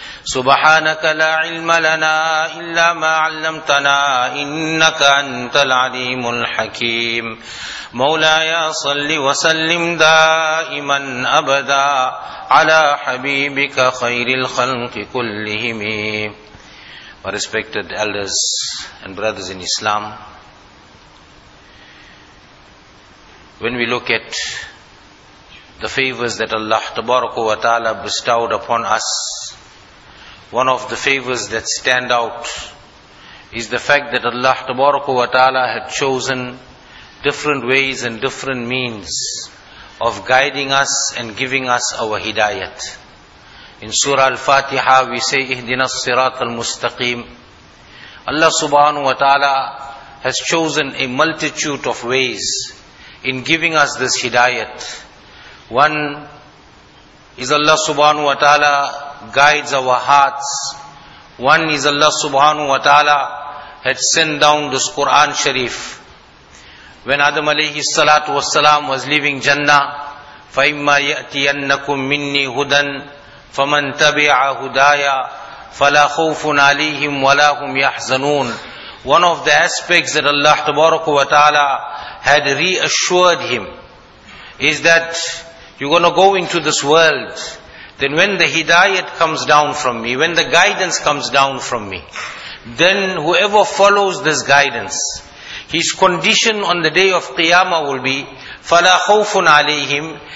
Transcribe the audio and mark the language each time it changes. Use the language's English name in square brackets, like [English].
[Arabic] سبحانك لا علم لنا إلا ما علمتنا إنك أنت العليم الحكيم مولاي صل وسلم دائما أبدا على حبيبك خير الخلق كلهم. [English] My respected elders and brothers in Islam, when we look at the favors that Allah Tabaraka wa Ta'ala bestowed upon us, one of the favors that stand out is the fact that Allah Tabaraka wa Ta'ala had chosen different ways and different means of guiding us and giving us our hidayat. In Surah Al-Fatiha we say, [Arabic] Ihdina as-sirat al-mustaqim. [English] Allah Subhanahu wa Ta'ala has chosen a multitude of ways in giving us this hidayat. One is Allah Subhanahu wa Ta'ala guides our hearts. One is Allah Subhanahu wa Ta'ala had sent down this Quran Sharif. When Adam alayhi salatu was salam was leaving Jannah, [Arabic] فَإِمَّا يَأْتِيَنَّكُمْ مِنِّي هُدًا فَمَنْ تَبِعَ هُدَايَ فَلَا خَوْفٌ عَلَيْهِمْ وَلَا هُمْ يَحْزَنُونَ. [English] One of the aspects that Allah Tabaraka wa Ta'ala had reassured him is that you're going to go into this world, then when the hidayat comes down from me, when the guidance comes down from me, then whoever follows this guidance, his condition on the day of Qiyamah will be, [Arabic] فَلَا خَوْفٌ عَلَيْهِمْ.